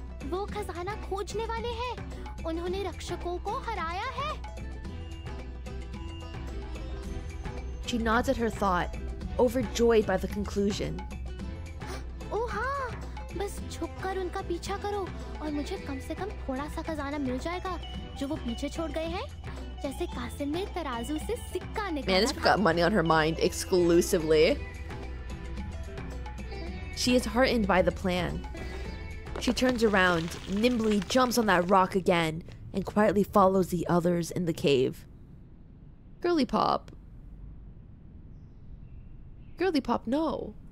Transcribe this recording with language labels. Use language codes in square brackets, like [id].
[hi] वो खजाना खोजने वाले हैं उन्होंने रक्षकों को हराया है [en] She nods at her thought overjoyed by the conclusion [hi] ओह हां बस झुककर उनका पीछा करो और मुझे कम से कम थोड़ा सा खजाना मिल जाएगा जो वो पीछे छोड़ गए हैं जैसे कासिम ने तराजू से सिक्का निकाला [en] Man, she's got money on her mind exclusively She is heartened by the plan She turns around, nimbly jumps on that rock again, and quietly follows the others in the cave. Girly pop, no.